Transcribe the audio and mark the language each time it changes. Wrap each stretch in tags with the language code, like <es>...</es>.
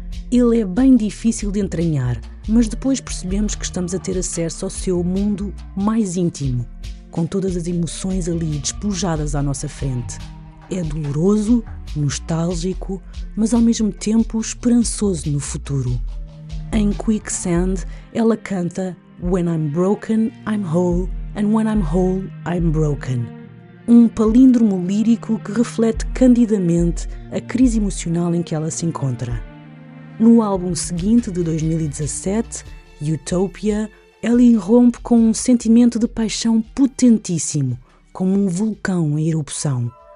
<pt>Ele é bem difícil de entranhar, mas depois percebemos que estamos a ter acesso ao seu mundo mais íntimo, com todas as emoções ali despojadas à nossa frente. É doloroso, nostálgico, mas ao mesmo tempo esperançoso no futuro. Em Quicksand, ela canta</pt> <en>When I'm broken, I'm whole, and when I'm whole, I'm broken.</en> <pt>Um palíndromo lírico que reflete candidamente a crise emocional em que ela se encontra. No álbum seguinte, de 2017, Utopia, ela irrompe com um sentimento de paixão potentíssimo, como um vulcão em erupção.</pt>